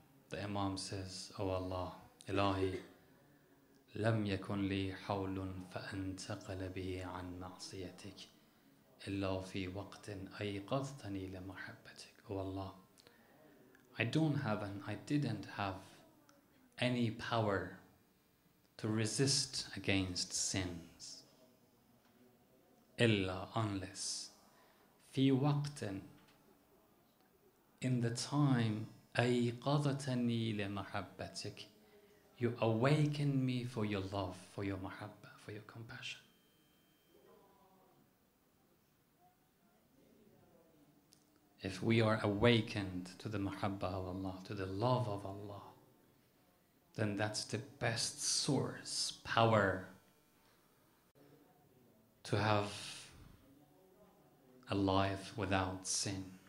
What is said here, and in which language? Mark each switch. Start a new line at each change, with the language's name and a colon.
English: The Imam says, O Allah,
Arabic: Ilahi, لم يكن لي حول فأنتقل به عن معصيتك إلا في وقت أيقظتني لمحبتك.
English: O Allah, I didn't have any power to resist against sins.
Arabic: إلا
English: unless
Arabic: في وقت
English: in the time
Arabic: أيقظتني لمحبتك.
English: You awaken me for your love, for your mahabba, for your compassion. If we are awakened to the mahabba of Allah, to the love of Allah, then that's the best source, power, to have a life without sin.